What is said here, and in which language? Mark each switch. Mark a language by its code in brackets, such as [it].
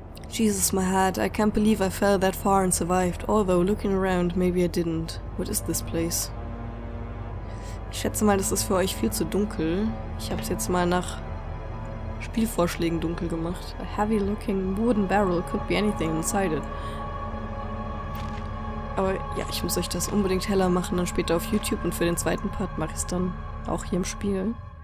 [en] Jesus, my heart, I can't believe I fell that far and survived. Although, looking around, maybe I didn't. What is this place? [de] Ich schätze mal, das ist für euch viel zu dunkel. Ich hab's jetzt mal nach Spielvorschlägen dunkel gemacht. [en] A heavy looking wooden barrel could be anything inside it. [de] Aber ja, ich muss euch das unbedingt heller machen, dann später auf YouTube und für den zweiten Part mach ich's dann auch hier im Spiel.